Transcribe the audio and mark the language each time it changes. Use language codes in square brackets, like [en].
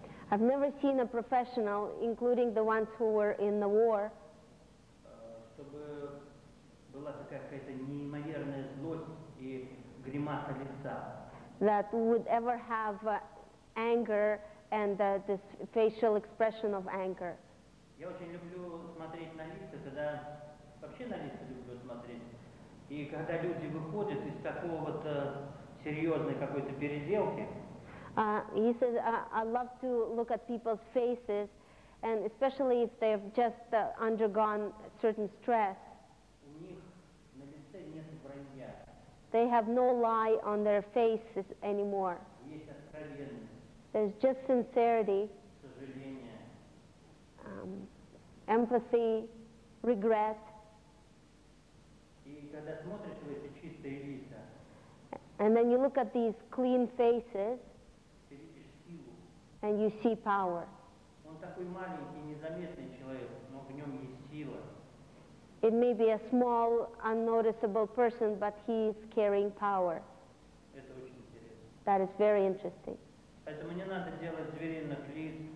[en] I've never seen a professional, including the ones who were in the war, [ru] чтобы была такая какая-то неимоверная злость и гримаса лица. [en] That would ever have anger and this facial expression of anger. [ru] Я очень люблю смотреть на лица, когда вообще на лица люблю смотреть. И когда люди выходят из такого вот серьезной какой-то переделки, [en] he says, I love to look at people's faces, and especially if they've just undergone certain stress. [ru] У них на лице нет вранья. [en] They have no lie on their faces anymore. [ru] Есть откровенность. [en] There's just sincerity. [ru] Сожаление. [en] Empathy, regret. [ru] И когда смотришь в эти чистые лица, [en] and then you look at these clean faces, [ru] ты видишь силу, [en] and you see power. [ru] Он такой маленький, незаметный человек, но в нем есть сила. [en] It may be a small, unnoticeable person, but he is carrying power. [ru] Это очень интересно. [en] That is very interesting. [ru] Поэтому не надо делать звериных лиц.